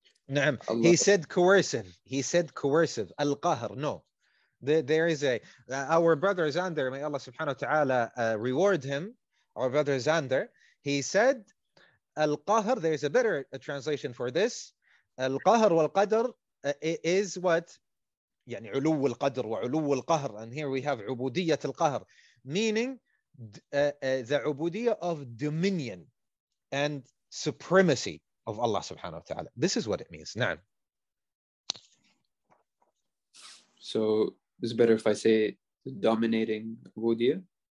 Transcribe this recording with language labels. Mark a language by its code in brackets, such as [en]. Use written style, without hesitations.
[en] Na'am. Allah. He said coercive. Al-qahr, no. There is a, our brother Zander, may Allah subhanahu wa ta'ala reward him, our brother Zander, he said, al-qahr, there is a better translation for this. Al-qahr wal-qadr is what? [ar] يعني علو القدر وعلو القهر. [en] And here we have عبودية القهر, meaning the عبودية of dominion and supremacy of Allah subhanahu wa ta'ala. This is what it means. نعم. So it's better if I say dominating عبودية.